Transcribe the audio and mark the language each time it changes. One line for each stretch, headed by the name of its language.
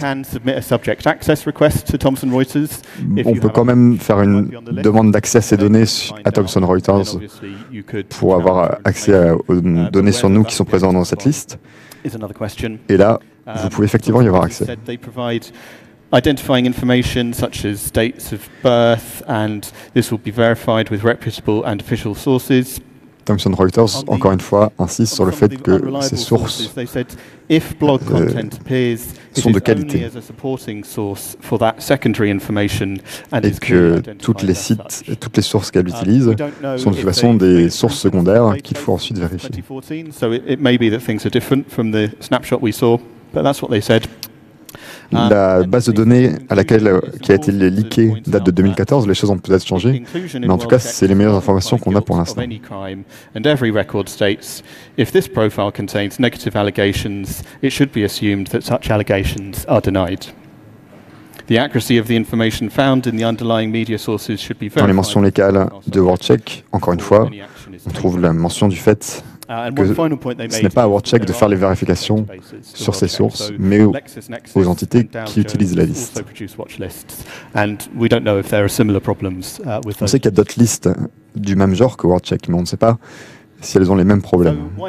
French: On peut quand même faire une demande d'accès à ces données à Thomson Reuters pour avoir accès aux données sur nous qui sont présentes dans cette liste. Et là, vous pouvez effectivement y avoir accès.
English: Identifying information such as dates of birth, and this will be verified with reputable and official sources.
French: Thomson Reuters, encore une fois, insiste sur le fait que ces sources sont de qualité et que toutes les sources qu'elle utilise sont de toute façon des sources secondaires qu'il faut ensuite vérifier.
English: So it may be that things are different from the snapshot we saw, but that's what they said.
French: La base de données à laquelle qui a été leakée date de 2014, les choses ont peut-être changé, mais en tout cas, c'est les meilleures informations qu'on a pour l'instant.
English: And every record states, if this profile contains negative allegations, it should be assumed that such allegations are denied. The accuracy of the information found in the underlying media sources should be verified.
French: Dans les mentions légales de WorldCheck, encore une fois, on trouve la mention du fait que ce n'est pas à WorldCheck de faire les vérifications sur ces sources, mais aux entités qui utilisent la liste. On sait qu'il y a d'autres listes du même genre que WorldCheck, mais on ne sait pas si elles ont les mêmes problèmes.